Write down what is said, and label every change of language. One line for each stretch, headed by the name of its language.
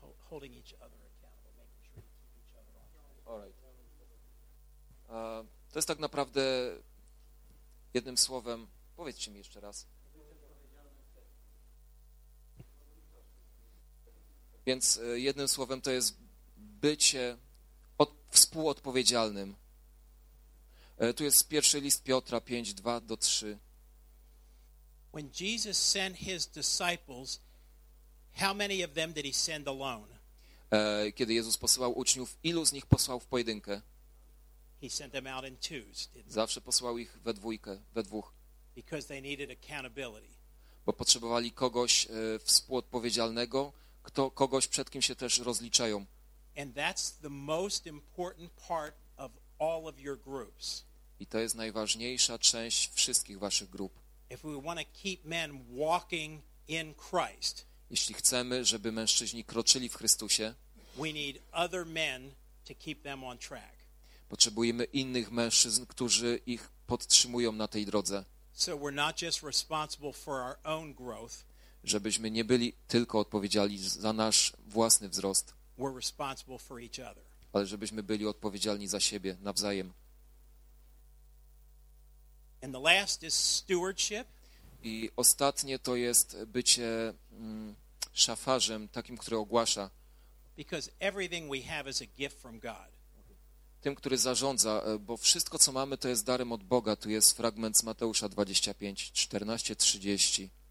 English: holding each other accountable, making sure to keep each other on. All right.
Polish: To jest tak naprawdę jednym słowem, powiedzcie mi jeszcze raz. Więc jednym słowem to jest bycie współodpowiedzialnym. Tu jest pierwszy list Piotra 5:2-3.
English: When Jesus sent his disciples, how many of them did he send alone?
Polish: Kiedy Jezus posyłał uczniów, ilu z nich posłał w pojedynkę?
English: He sent them out in twos, didn't he?
Polish: Zawsze posyłał ich we dwójkę, we dwóch.
English: Because they needed accountability.
Polish: Bo potrzebowali kogoś współodpowiedzialnego, kto, kogoś, przed kim się też rozliczają.
English: And that's the most important part of all of your groups.
Polish: I to jest najważniejsza część wszystkich waszych grup.
English: If we want to keep men walking in Christ,
Polish: jeśli chcemy, żeby mężczyźni kroczyli w Chrystusie,
English: we need other men to keep them on track.
Polish: Potrzebujemy innych mężczyzn, którzy ich podtrzymują na tej drodze.
English: So we're not just responsible for our own growth,
Polish: żebyśmy nie byli tylko odpowiedzialni za nasz własny wzrost,
English: we're responsible for each other.
Polish: Ale żebyśmy byli odpowiedzialni za siebie nawzajem.
English: And the last is stewardship.
Polish: I ostatnie to jest bycie szafarzem, takim, który ogłasza.
English: Because everything we have is a gift from God.
Polish: Tym, który zarządza, bo wszystko, co mamy, to jest darem od Boga. Tu jest fragment z Mateusza 25:14-30.